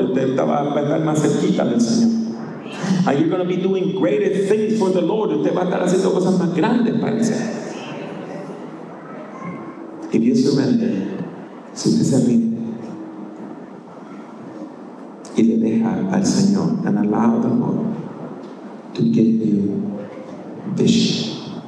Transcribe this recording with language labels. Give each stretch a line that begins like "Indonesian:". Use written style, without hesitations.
Spanish: Y te va a estar más cerquita del Señor.
English: And you're going to be doing greater things for the Lord.
Spanish: Y te va a estar haciendo cosas más grandes para el Señor.
English: If you surrender,
Spanish: si usted se rinde y le deja al Señor,
English: and allow the Lord to give you vision.